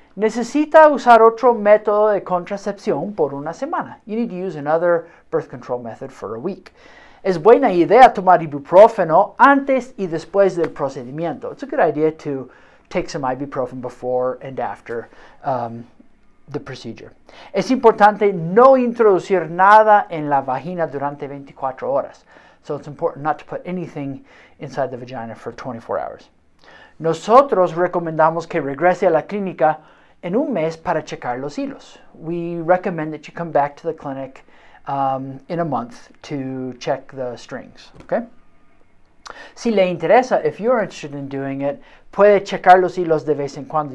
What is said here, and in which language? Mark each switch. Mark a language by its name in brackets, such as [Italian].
[Spanish] Necesita usar otro método de contracepción por una semana. [English] You need to use another birth control method for a week. [Spanish] Es buena idea tomar ibuprofeno antes y después del procedimiento. [English] It's a good idea to take some ibuprofen before and after the procedure. [Spanish] Es importante no introducir nada en la vagina durante 24 horas. [English] So it's important not to put anything inside the vagina for 24 hours. [Spanish] Nosotros recomendamos que regrese a la clínica en un mes para checar los hilos. [English] We recommend that you come back to the clinic in a month to check the strings, okay? [Spanish] Si le interesa, [English] if you're interested in doing it, [Spanish] puede checar los hilos de vez en cuando.